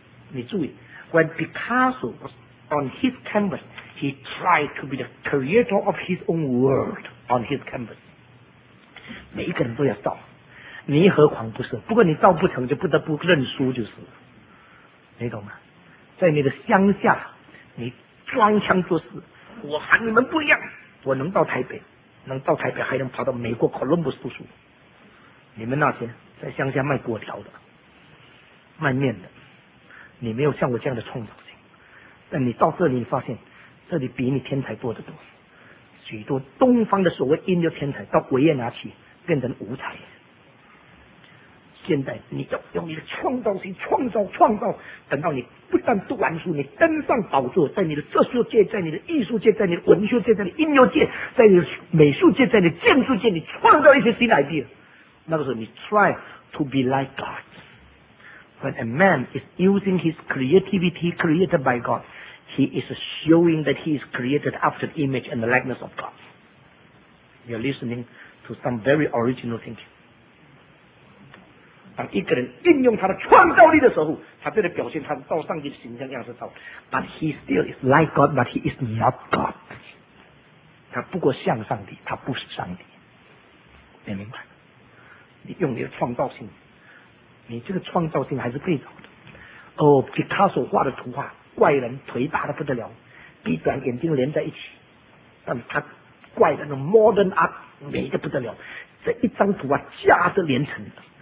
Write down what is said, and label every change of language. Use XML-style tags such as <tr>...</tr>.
<zh>你注意</zh> <en>when Picasso was on his canvas, he tried to be the creator of his own world on his canvas.</en> <zh>每一个人都要造，你何况不是，不过你造不成就不得不认输就是了，你懂吗？在你的乡下你装腔作势，我和你们不一样，我能到台北，能到台北还能跑到美国 Columbus 读书，你们那些在乡下卖果条的卖面的，你没有像我这样的创造性，但你到这里你发现这里比你天才多得多，许多东方的所谓音乐天才到维也纳去变成无才。现在你要用你的创造性创造创造，等到你不但读完书，你登上宝座，在你的哲学界，在你的艺术界，在你的文学界，在你的音乐界，在你的美术界，在你的建筑界，你创造一些新 idea，那个时候你</zh> <en>try to be like God. When a man is using his creativity created by God, he is showing that he is created after the image and the likeness of God. You're listening to some very original thinking.</en> <zh>当一个人应用他的创造力的时候，他在表现他造上帝的形象样式造。</zh> <en>But he still is like God, but he is not God.</en> <zh>他不过像上帝，他不是上帝。你明白？你用你的创造性，你这个创造性还是被找的。哦，皮卡索画的图画，怪人腿大得不得了，鼻短眼睛连在一起，但他怪人的 modern art 美得不得了，这一张图啊，价值连城的。</zh>